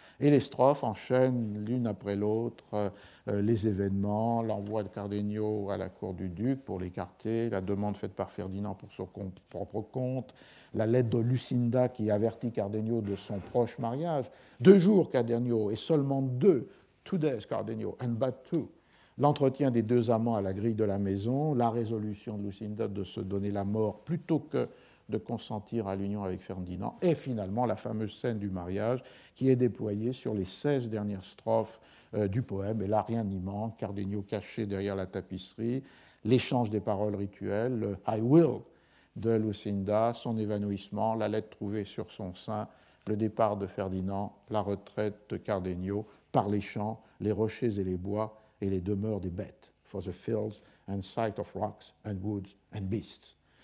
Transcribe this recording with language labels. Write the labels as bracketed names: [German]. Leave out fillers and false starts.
[French] Et les strophes enchaînent l'une après l'autre les événements, l'envoi de Cardenio à la cour du duc pour l'écarter, la demande faite par Ferdinand pour son propre compte, la lettre de Lucinda qui avertit Cardenio de son proche mariage. Deux jours, Cardenio, et seulement deux. [English] Two days, Cardenio, and but two. [French] L'entretien des deux amants à la grille de la maison, la résolution de Lucinda de se donner la mort plutôt que de consentir à l'union avec Ferdinand, et finalement la fameuse scène du mariage qui est déployée sur les 16 dernières strophes du poème. Et là, rien n'y manque. Cardenio caché derrière la tapisserie, l'échange des paroles rituelles, le « [English] I will [French] » de Lucinda, son évanouissement, la lettre trouvée sur son sein, le départ de Ferdinand, la retraite de Cardenio par les champs, les rochers et les bois, et les demeures des bêtes, [English] for the fields and sight of rocks and woods and beasts.